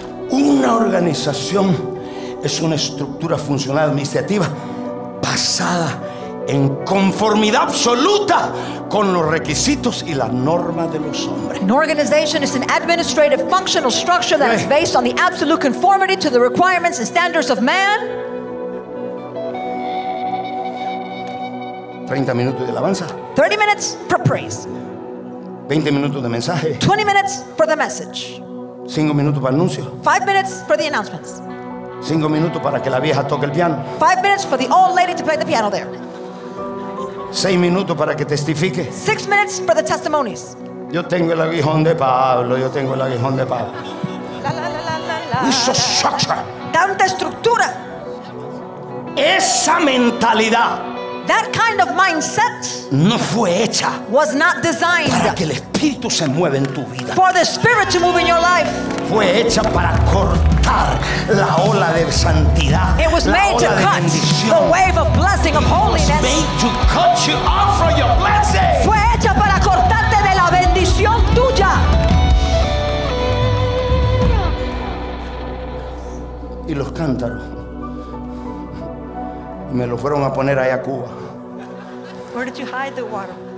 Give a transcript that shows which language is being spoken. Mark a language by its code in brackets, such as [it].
[es] Una organización es una estructura funcional administrativa basada en conformidad absoluta con los requisitos y las normas de los hombres. [en] An organization is an administrative functional structure that is based on the absolute conformity to the requirements and standards of man. [es] 30 minutos de alabanza. [en] 30 minutes for praise. [es] 20 minutos de mensaje. [en] 20 minutes for the message. [es] 5 minutos para anuncio. [en] 5 minutes for the announcements. [es] 5 minutos para que la vieja toque el piano. [en] 5 minutes for the old lady to play the piano there. [es] 6 minutos para que testifique. [en] 6 minutes for the testimonies. [es] Yo tengo el aguijón de Pablo, yo tengo el aguijón de Pablo. La. Tanta estructura. Esa mentalidad. [en] That kind of mindset [es] no fue hecha [en] was not designed [es] para que el Espíritu se mueva en tu vida. [en] For the Spirit to move in your life. [es] Fue hecha para cortar la ola de santidad. [en] It was made to cut the wave of blessing of holiness. It was made to cut you off from your blessing. [es] Fue hecha para cortarte de la bendición tuya. Y los cántaros. Y me lo fueron a poner ahí a Cuba. [en] Where did you hide the water?